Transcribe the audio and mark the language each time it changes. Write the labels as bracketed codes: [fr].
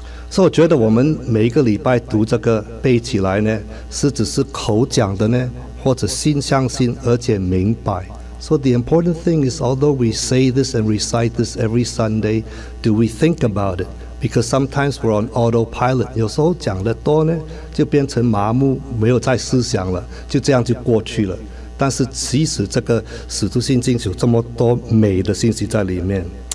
[zh] 所以我觉得我们每一个礼拜读这个背起来呢，是只是口讲的呢，或者心相信而且明白。 [en] So the important thing is, although we say this and recite this every Sunday, do we think about it? Because sometimes we're on autopilot. [zh] 有时候讲的多呢，就变成麻木，没有再思想了，就这样就过去了。但是其实这个《使徒信经》有这么多美的信息在里面。